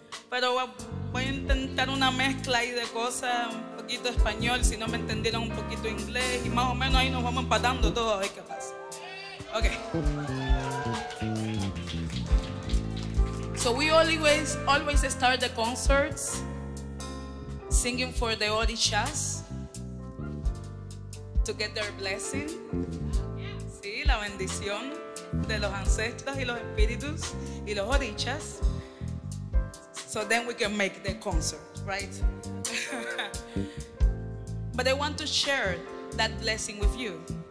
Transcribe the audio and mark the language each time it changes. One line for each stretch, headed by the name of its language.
Spanish: Pero voy a intentar una mezcla ahí de cosas, un poquito español, si no me entendieron, un poquito inglés, y más o menos ahí nos vamos empatando todo a ver qué pasa.
English: Ok. So we always start the concerts singing for the orishas to get their blessing.
Spanish: Sí, la bendición de los ancestros y los espíritus y los orishas.
English: So then we can make the concert, right? But I want to share that blessing with you.